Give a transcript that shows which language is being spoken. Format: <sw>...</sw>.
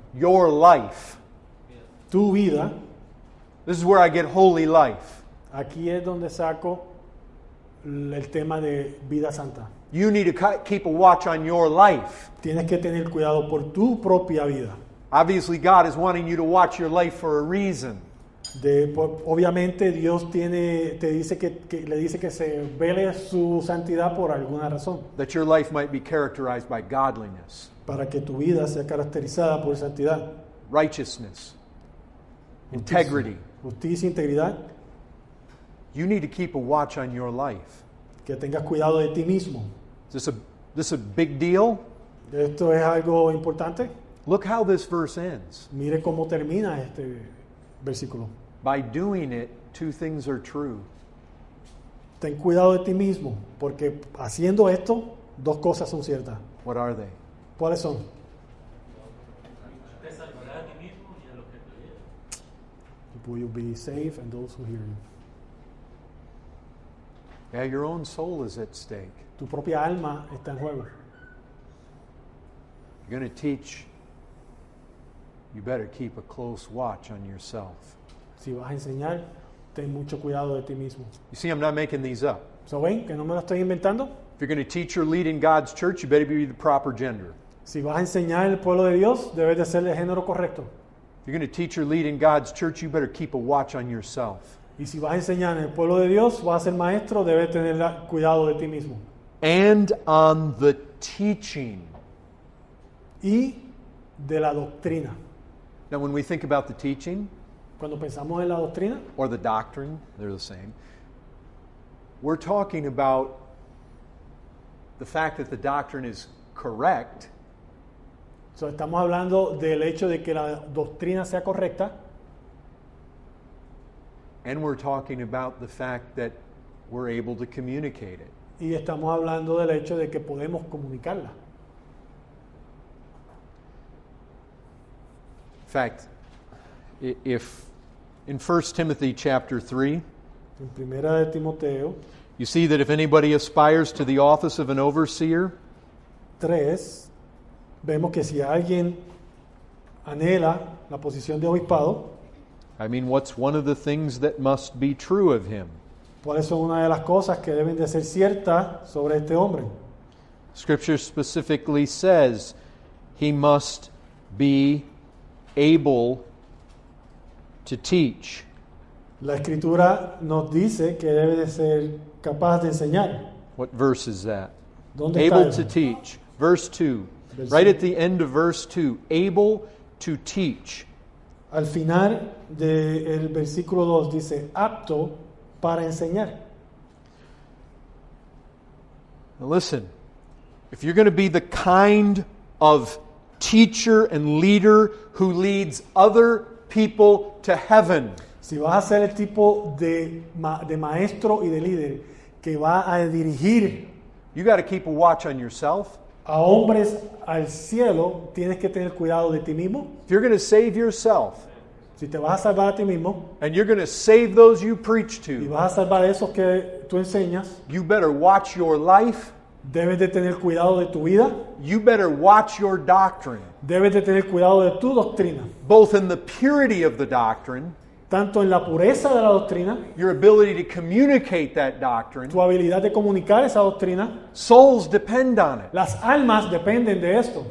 <en>Your life.</en> <es>Tu vida.</es> <en>This is where I get holy life.</en> <es>Aquí es donde saco el tema de vida santa.</es> <en>You need to keep a watch on your life.</en> <es>Tienes que tener cuidado por tu propia vida.</es> <en>Obviously God is wanting you to watch your life for a reason.</en> <es>Obviamente Dios le dice que se vele su santidad por alguna razón.</es> <en>That your life might be characterized by godliness.</en> <es>Para que tu vida sea caracterizada por santidad.</es> <en>Righteousness. Integrity.</en> <es>Justicia, integridad.</es> <en>You need to keep a watch on your life.</en> <es>Que tengas cuidado de ti mismo.</es> <en>Is this a big deal?</en> <es>¿Esto es algo importante?</es> <en>Look how this verse ends.</en> <es>Mire cómo termina este versículo.</es> <en>By doing it, two things are true.</en> <es>Ten cuidado de ti mismo, porque haciendo esto, dos cosas son ciertas.</es> <en>What are they?</en> <es>¿Cuáles son? Te salvará a ti mismo y a los que te oyen.</es> <en>You will be safe and those who hear you. Yeah, your own soul is at stake.</en> <es>Tu propia alma está en juego.</es> <en>You're going to teach. You better keep a close watch on yourself.</en> <es>Si vas a enseñar, ten mucho cuidado de ti mismo.</es> <en>You see, I'm not making these up.</en> <es>So, ¿ven? Que no me lo estoy inventando.</es> <en>If you're going to teach or lead in God's church, you better be the proper gender.</en> <es>Si vas a enseñar en el pueblo de Dios, debes de ser el género correcto.</es> <en>If you're going to teach or lead in God's church, you better keep a watch on yourself.</en> <es>Y si vas a enseñar en el pueblo de Dios, vas a ser maestro, debes tener cuidado de ti mismo.</es> <en>And on the teaching.</en> <es>Y de la doctrina.</es> <en>Now, when we think about the teaching,</en> <es>cuando pensamos en la doctrina,</es> <en>or the doctrine, they're the same, we're talking about the fact that the doctrine is correct.</en> <es>So, estamos hablando del hecho de que la doctrina sea correcta.</es> <en>And we're talking about the fact that we're able to communicate it.</en> <es>Y estamos hablando del hecho de que podemos comunicarla.</es> <en>In fact, if in 1 Timothy chapter 3,</en> <es>en Primera de Timoteo,</es> <en>you see that if anybody aspires to the office of an overseer,</en> <es>3, vemos que si alguien anhela la posición de obispado,</es> <en>I mean, what's one of the things that must be true of him?</en> <es>¿Cuáles son una de las cosas que deben de ser ciertas sobre este hombre?</es> <en>Scripture specifically says he must be able to teach.</en> <es>La escritura nos dice que debe de ser capaz de enseñar.</es> <en>What verse is that?</en> <es>¿Dónde</es> <en>able</en> <es>está</es> <en>to él? Teach. Verse 2. Right at the end of verse 2. Able to teach.</en> <es>Al final del versículo 2 dice apto para enseñar.</es> <en>Now listen, if you're going to be the kind of teacher and leader who leads other people to heaven,</en> <es>si vas a ser el tipo de maestro y de líder que va a dirigir,</es> <en>you got to keep a watch on yourself.</en> <es>A hombres al cielo, tienes que tener cuidado de ti mismo.</es> <en>If you're going to save yourself,</en> <es>si te vas a salvar a ti mismo,</es> <en>and you're going to save those you preach to,</en> <es>y vas a salvar a esos que tú enseñas,</es> <en>you better watch your life.</en> <es>Debes de tener cuidado de tu vida.</es> <en>You better watch your doctrine.</en> <es>Debes de tener cuidado de tu doctrina.</es> <en>Both in the purity of the doctrine,</en> <es>tanto en la pureza de la doctrina,</es> <en>your ability to communicate that doctrine,</en> <es>tu habilidad de comunicar esa doctrina.</es> <en>Souls depend on it.</en> <es>Las almas dependen de esto.</es>